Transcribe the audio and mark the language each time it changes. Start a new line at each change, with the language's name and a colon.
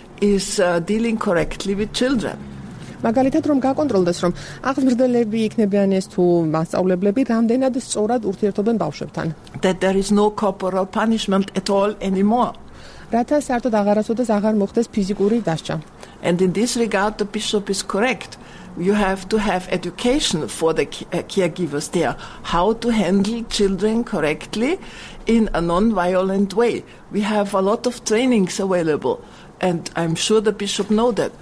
English: is dealing correctly with children.
Georgian: მაგალითად რომ გაკონტროლდეს რომ აღმზრდელები იქნებიან ეს თუ მასწავლებლები რამდენად სწორად ურთიერთობენ ბავშვებთან.
English: That there is no corporal punishment at all anymore.
Georgian: რათა საერთოდ აღარასოდეს აღარ მოხდეს ფიზიკური დასჯა.
English: And in this regard the bishop is correct. You have to have education for the caregivers there how to handle children correctly in a non-violent way. We have a lot of trainings available. And I'm sure the bishop knows that.